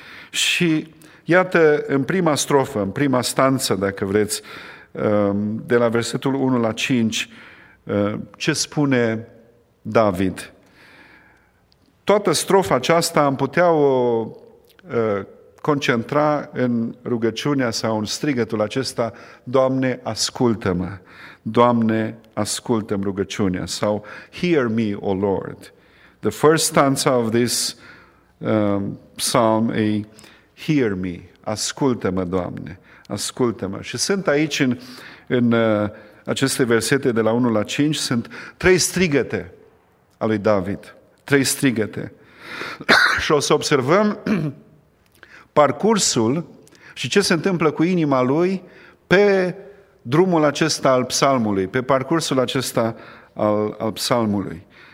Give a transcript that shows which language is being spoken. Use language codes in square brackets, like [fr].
[ro] Și iată, în prima strofă, în prima stanță, dacă vreți, de la versetul 1 la 5, ce spune David? Toată strofa aceasta am putea o concentra în rugăciunea sau în strigătul acesta: Doamne, ascultă-mă! Doamne, ascultă-mă rugăciunea! [en] Sau, hear me, O Lord! The first stanza of this psalm is, hear me! [ro] Ascultă-mă, Doamne! Ascultă-mă! Și sunt aici, în aceste versete de la 1 la 5, sunt 3 strigăte a lui David. 3 strigăte. Și o să observăm parcursul și ce se întâmplă cu inima lui pe drumul acesta al psalmului, pe parcursul acesta al psalmului.